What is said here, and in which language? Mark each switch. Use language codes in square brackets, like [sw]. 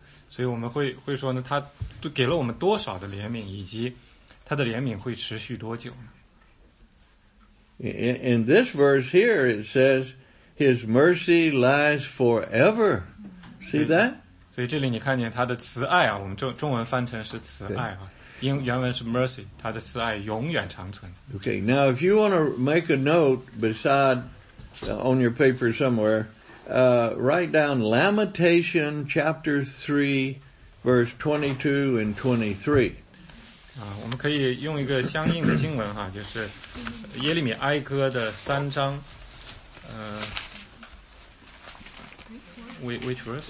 [zh] 所以我们会说呢，他都给了我们多少的怜悯，以及他的怜悯会持续多久呢？ [en] In this verse here, it says, His mercy lasts forever. See that? [zh] 所以这里你看见他的慈爱啊，我们中文翻成是慈爱啊，英原文是 mercy, 他的慈爱永远长存。 [en] Okay, now if you want to make a note beside, on your paper somewhere, write down Lamentation chapter 3, verse 22 and 23. [zh] 我们可以用一个相应的经文哈，就是耶利米哀歌的三章， [en] which verse?